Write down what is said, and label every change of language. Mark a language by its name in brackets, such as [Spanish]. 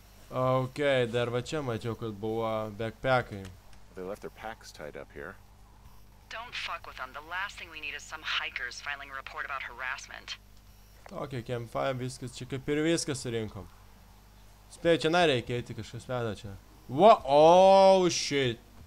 [Lithuanian] Ok, dar va čia mačiau, kad buvo backpackai. [English] They left their packs tied up here. Don't fuck with them. The last thing we need is some hikers filing a report about harassment. [Lithuanian] Ok, campfire, viskas, čia kaip ir viskas surinkom. Spėjau, čia nereikia eiti, kažkas veda čia. [English] Va, oh shit.